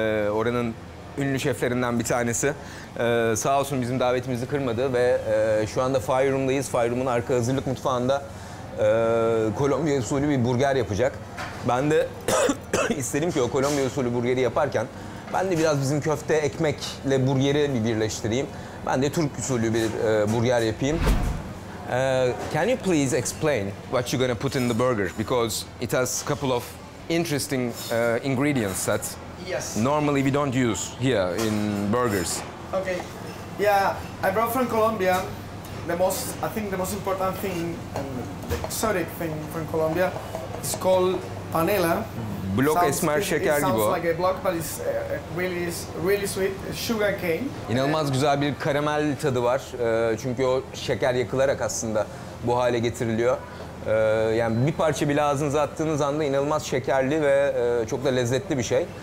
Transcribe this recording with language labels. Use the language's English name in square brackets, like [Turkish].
[Turkish] Oranın ünlü şeflerinden bir tanesi. Sağ olsun bizim davetimizi kırmadı ve şu anda Fire Room'dayız. Fire Room'un arka hazırlık mutfağında Kolombiya usulü bir burger yapacak. Ben de istedim ki o Kolombiya usulü burgeri yaparken ben de biraz bizim köfte ekmekle burgeri bir birleştireyim. Ben de Türk usulü bir burger yapayım. [English] Can you please explain what you're gonna put in the burger? Because it has a couple of interesting ingredients that normally we don't use here in burgers. Okay. Yeah, I brought from Colombia. I think the most important thing and the exotic thing from Colombia is called panela. [Turkish] Blok esmer şeker gibi o. [English] It sounds like a block, but it's really sweet. Sugar cane. [Turkish] İnanılmaz güzel bir karamel tadı var. Çünkü o şeker yakılarak aslında bu hale getiriliyor. Yani bir parça bile ağzınıza attığınız anda inanılmaz şekerli ve çok da lezzetli bir şey.